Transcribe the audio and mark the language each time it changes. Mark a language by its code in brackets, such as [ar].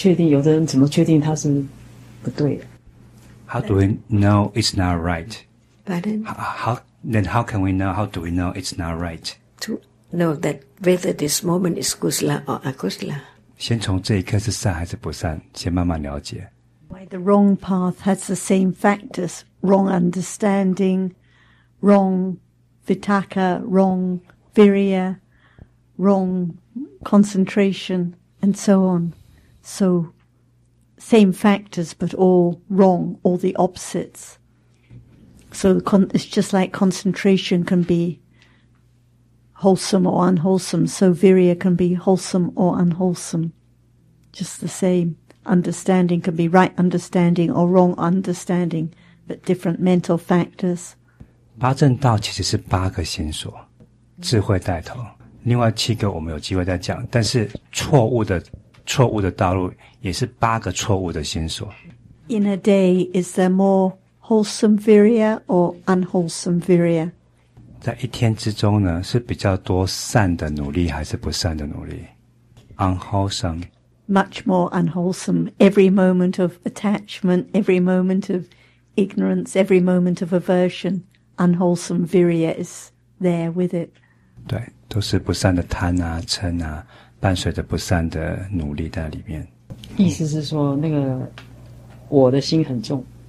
[zh] 那我们怎么确定？有的人怎么确定它是不对的？ [en] How do we know it's not right? Pardon? How can we know? How do we know it's not right? To know that whether this moment is kusala or akusala. [zh] 先从这一刻是善还是不善，先慢慢了解。 [en] Why the wrong path has the same factors: wrong understanding, wrong vitaka, wrong virya. wrong concentration and so on. So same factors, but all wrong, all the opposites. So it's just like concentration can be wholesome or unwholesome. So virya can be wholesome or unwholesome. Just the same. Understanding can be right understanding or wrong understanding, but different mental factors. [zh] 八正道其实是八个线索, 智慧带头, 另外七个我们有机会再讲, 但是错误的, 错误的道路也是八个错误的线索。 [en] In a day, is there more wholesome virya or unwholesome virya? [zh] 在一天之中呢, 是比较多善的努力还是不善的努力? [en] Unwholesome. Much more unwholesome. Every moment of attachment, every moment of ignorance, every moment of aversion, unwholesome virya is there with it. [zh] 对, 都是不善的贪啊, 嗔啊, 伴随着不善的努力在里面。意思是说, 那个, 我的心很重。